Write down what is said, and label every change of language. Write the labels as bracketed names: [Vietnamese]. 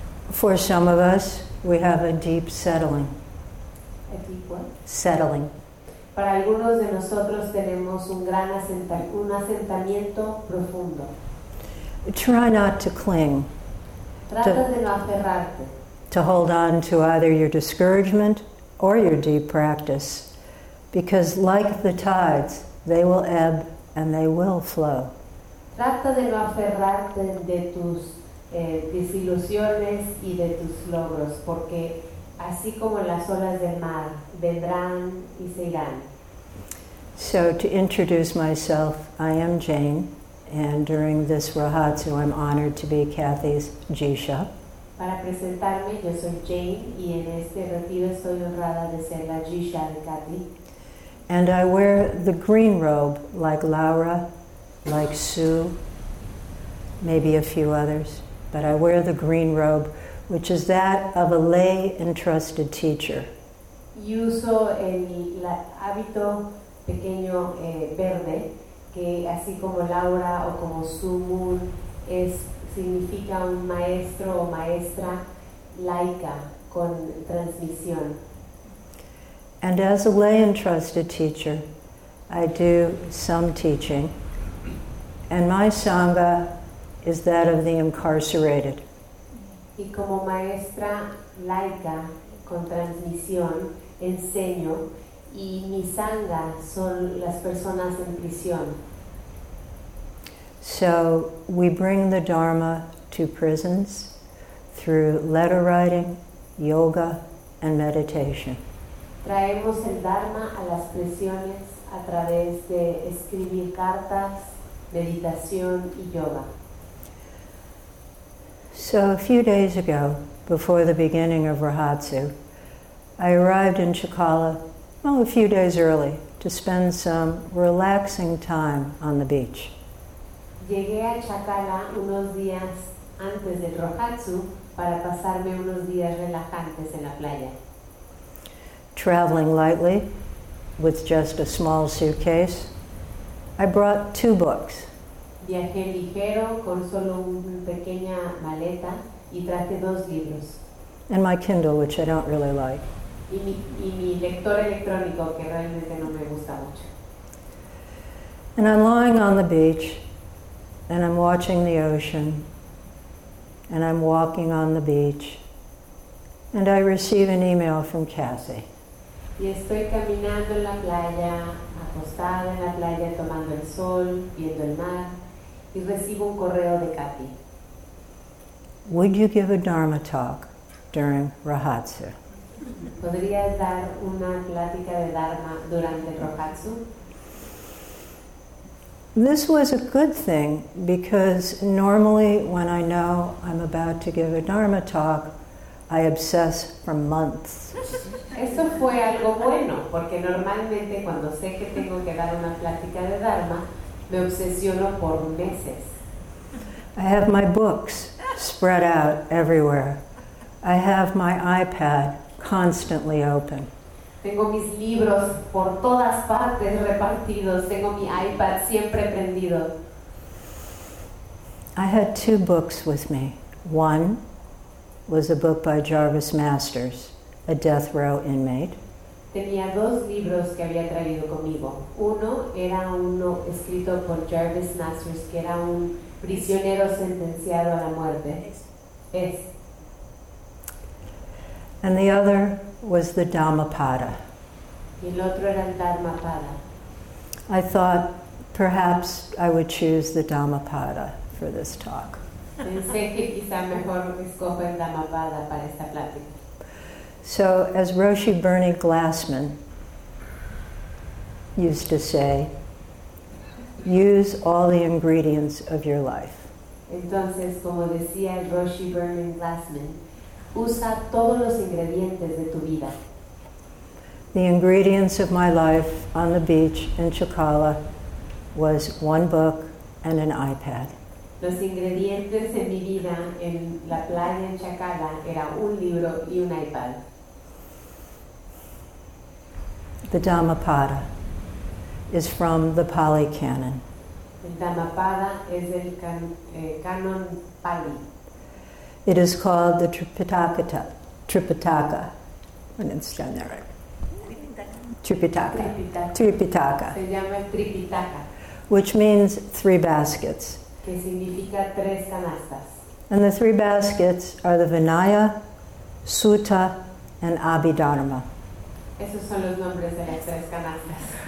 [English] For some of us, we have a deep settling. A deep what? Settling. [Spanish] Para algunos de nosotros tenemos un asentamiento profundo. [English] Try not to cling. [Spanish] Trata de no aferrarte. [English] To hold on to either your discouragement or your deep practice. Because like the tides, they will ebb and they will flow. [Spanish] Trata de no aferrarte de tus desilusiones y de tus logros, porque así como las olas del mar vendrán y se irán. [English] So to introduce myself, I am Jane, and during this Rahatsu, I'm honored to be Kathy's Jisha. [Spanish] Para presentarme, yo soy Jane, y en este retiro estoy honrada de ser la Jisha de Kathy. [English] And I wear the green robe, like Laura, like Sue, maybe a few others. But I wear the green robe, which is that of a lay and trusted teacher. [Spanish] Y uso el hábito pequeño verde, que así como Laura o como Sue Moon, significa un maestro o maestra laica con transmisión. [English] And as a lay and trusted teacher, I do some teaching. And my sangha is that of the incarcerated. [Spanish] Y como maestra laica con transmisión, enseño, y mi sangha son las personas en prisión. [English] So we bring the Dharma to prisons through letter writing, yoga, and meditation. [Spanish] Traemos el Dharma a las prisiones a través de escribir cartas, meditación y yoga. [English] So a few days ago, before the beginning of Rahatsu, I arrived in Chikala, a few days early, to spend some relaxing time on the beach. [Spanish] Llegué a Chikala unos días antes del Rahatsu para pasarme unos días relajantes en la playa. [English] Traveling lightly, with just a small suitcase, I brought two books. [Spanish] Viajé ligero con solo una pequeña maleta y traje dos libros. [English] And my Kindle, which I don't really like. [Spanish] Y mi lector electrónico, que realmente no me gusta mucho. [English] And I'm lying on the beach, and I'm watching the ocean, and I'm walking on the beach, and I receive an email from Kathy. [Spanish] Y estoy caminando en la playa, acostada en la playa, tomando el sol, viendo el mar. Y recibo un correo de Kathy. [English] Would you give a Dharma talk during Rahatsu? [Spanish] ¿Podrías dar una plática de Dharma durante Rahatsu? [English] This was a good thing because normally when I know I'm about to give a Dharma talk, I obsess for months. [Spanish] Eso fue algo bueno porque normalmente cuando sé que tengo que dar una plática de Dharma, me obsesiono por meses. [English] I have my books spread out everywhere. I have my iPad constantly open. [Spanish] Tengo mis libros por todas partes repartidos. Tengo mi iPad siempre prendido. [English] I had two books with me. One was a book by Jarvis Masters, a death row inmate. [Spanish] Tenía dos libros que había traído conmigo. Uno era uno escrito por Jarvis Masters, que era un prisionero sentenciado a la muerte. Es. [English] And the other was the Dhammapada. [Spanish] Y el otro era el Dharmapada. [English] I thought perhaps I would choose the Dhammapada for this talk. [Spanish] Pensé que quizá mejor escoja el Dhammapada para esta plática. [English] So, as Roshi Bernie Glassman used to say, use all the ingredients of your life. [Spanish] Entonces, como decía el Roshi Bernie Glassman, usa todos los ingredientes de tu vida. [English] The ingredients of my life on the beach in Chikala was one book and an iPad. [Spanish] Los ingredientes en mi vida en la playa en Chikala era un libro y un iPad. [English] The Dhammapada is from the Pali Canon. [Spanish] El Dhammapada es el canon Pali. [English] It is called the Tripitaka. When it's done there, right? Tripitaka. [Spanish] Tripitaka. Se llama Tripitaka. [English] Which means three baskets. [Spanish] Que significa tres canastas. [English] And the three baskets are the Vinaya, Sutta, and Abhidharma. [Spanish] Esos son los nombres de las tres canastas.